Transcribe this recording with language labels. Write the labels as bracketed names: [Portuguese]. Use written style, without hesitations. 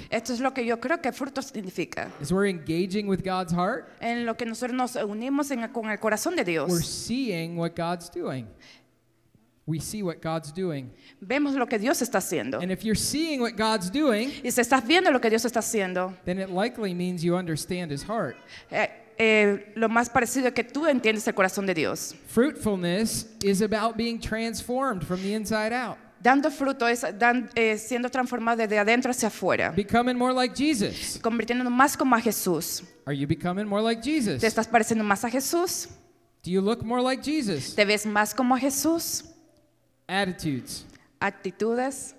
[Spanish] Esto es lo que yo creo que fruto significa. [English] Is we're engaging with God's heart? [Spanish] En lo que nosotros nos unimos con el corazón de Dios. [English] We're seeing what God's doing. We see what God's doing. [Spanish] Vemos lo que Dios está haciendo. [English] And if you're seeing what God's doing, [Spanish] y si estás viendo lo que Dios está haciendo, [English] then it likely means you understand His heart. [Spanish] Lo más parecido es que tú entiendes el corazón de Dios. [English] Fruitfulness is about being transformed from the inside out. [Spanish] Dando fruto es siendo transformado desde adentro hacia afuera. [English] Becoming more like Jesus. [Spanish] Convirtiéndonos más como a Jesús. [English] Are you becoming more like Jesus? [Spanish] ¿Te estás pareciendo más a Jesús? [English] Do you look more like Jesus? [Spanish] ¿Te ves más como a Jesús? [English] Attitudes. [Spanish] Actitudes.